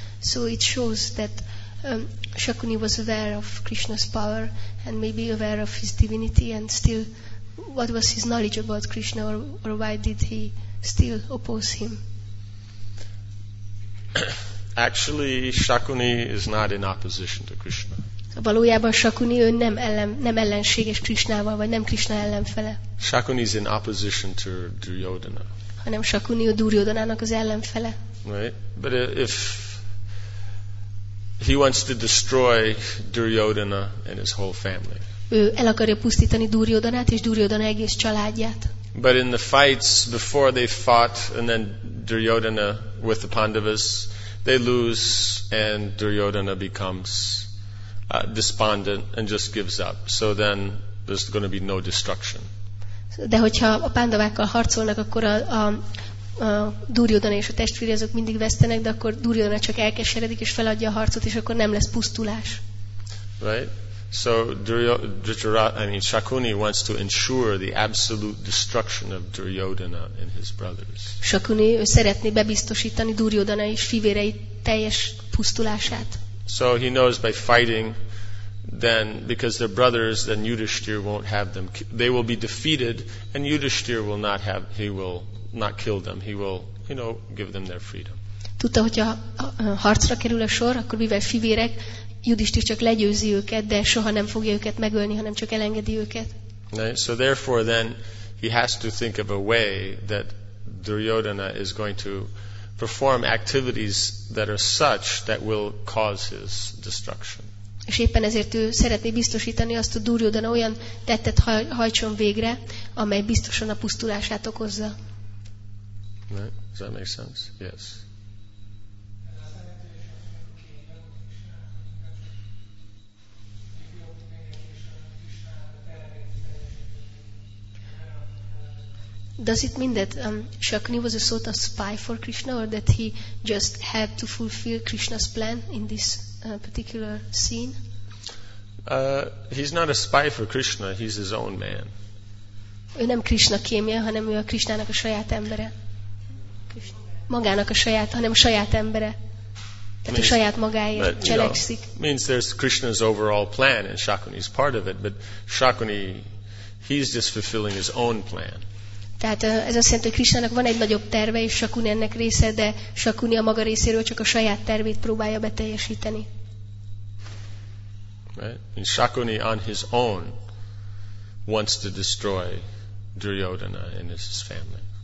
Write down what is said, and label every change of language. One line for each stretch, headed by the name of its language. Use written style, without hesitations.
English: So it shows that Shakuni was aware of Krishna's power and maybe aware of his divinity, and still what was his knowledge about Krishna, or why did he still oppose him? Actually, Shakuni is not in opposition to Krishna.
Hungarian: Valójában Shakuni ő nem ellenséges Krishnával, vagy nem Krishna ellenfele.
English: Shakuni is in opposition to Duryodhana.
Hungarian: Hanem Shakuni a Duryodhanának az ellenfele.
English: Right, but if he wants to destroy Duryodhana and his whole family.
Hungarian: Ő el akarja pusztítani Duryodhanát és Duryodhana egész családját.
English: But in the fights before they fought, and then Duryodhana with the Pandavas, they lose and Duryodhana becomes despondent and just gives up. So then there's going to be no destruction.
Hungarian: De hogyha a Pandavákkal harcolnak, akkor a Duryodhana és a testvére azok mindig vesztenek, de akkor Duryodhana csak elkeseredik és feladja a harcot, és akkor nem lesz pusztulás.
English: Right? So Shakuni wants to ensure the absolute destruction of Duryodhana and his brothers.
Hungarian: Shakuni szeretné bebiztosítani Duryodhana és fivérei teljes pusztulását.
English: So he knows by fighting, then because they're brothers, then Yudhishthira won't have them. They will be defeated, and Yudhishthira will not have. He will not kill them. He will, you know, give them their freedom.
Hungarian: Tudta, hogy a harcra kerül a sor, akkor mivel fivérek, Yudhishthira csak legyőzi őket, de soha nem fogja őket megölni, hanem csak elengedi őket.
English: Right. So therefore then he has to think of a way that Duryodhana is going to perform activities that are such that will cause his destruction.
Hungarian: És éppen ezért ő szeretné biztosítani azt, hogy Duryodhana olyan tettet hajtson végre, amely biztosan a pusztulását okozza.
English: Right. Does that make sense? Yes. Does it mean that Shakuni was a sort of spy for Krishna, or that he just had to fulfill Krishna's plan in this particular scene? He's not a spy for Krishna, he's his own man.
Hungarian: Ő nem Krishna kémje, hanem ő a Krishnának a saját embere. Magának a saját, hanem a saját embere. Tehát a saját magáért cselekszik.
English: Means there's Krishna's overall plan and Shakuni's part of it, but Shakuni, he's just fulfilling his own plan.
Hungarian: Tehát ez azt jelenti, hogy Krisnának van egy nagyobb terve, és Shakuni ennek része, de Shakuni a maga részéről csak a saját tervét próbálja beteljesíteni.
English: Right. And Shakuni on his own wants to destroy Duryodhana and his family.